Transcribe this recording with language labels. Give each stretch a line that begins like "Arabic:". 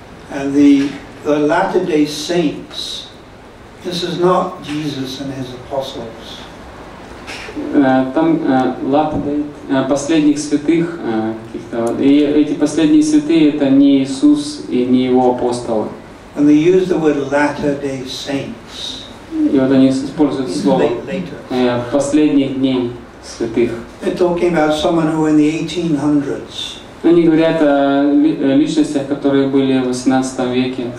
English: And the Latter-day Saints, this is not Jesus and his apostles.
Russian: там лапиды последних святых каких-то. И эти последние святые — это не Иисус и не его апостолы.
English: And they use the word latter-day saints.
Russian: И вот они используют слово последних дней святых.
English: They're talking about someone who in the 1800s.
Russian: Они говорят о личностях, которые были в 18 веке.